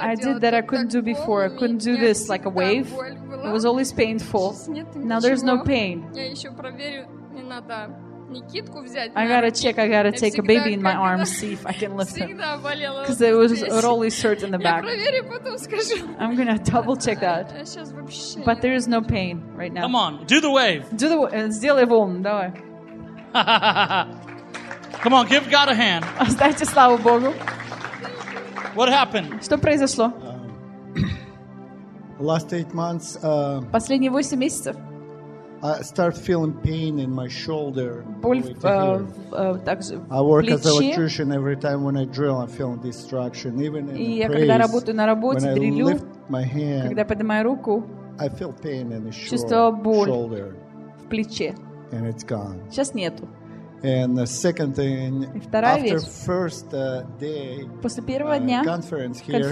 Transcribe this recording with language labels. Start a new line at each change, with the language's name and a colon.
English: I did that I couldn't do before. I couldn't do this like a wave. It was always painful. Now there's no pain.
Russian: Я еще проверю, не надо Никитку взять.
English: I gotta check. I gotta take a baby in my arms, see if I can lift him.
Russian: Всегда болела.
English: Because it was really hurt in the back.
Russian: Я проверю, потом скажу.
English: I'm gonna double check that.
Russian: Сейчас вообще.
English: But there is no pain right now. Come on, do the wave. Do the
Russian: сделай волну, давай.
English: Come on, give God a hand.
Russian: Оставьте славу Богу.
English: What happened?
Russian: Что произошло?
English: Last 8 months.
Russian: Последние 8 месяцев.
English: I start feeling pain in my shoulder.
Russian: Боль,
English: I work
Russian: плечи.
English: As an electrician. Every time when I drill, I'm feeling destruction. Even in
Russian: и
English: praise,
Russian: когда работаю на работе,
English: when
Russian: дрелю,
English: I lift my hand,
Russian: когда поднимаю руку,
English: I feel pain in the shoulder.
Russian: В плече.
English: And it's gone.
Russian: Сейчас нету.
English: And the second thing, after
Russian: вещь,
English: first day,
Russian: после первого дня
English: conference here,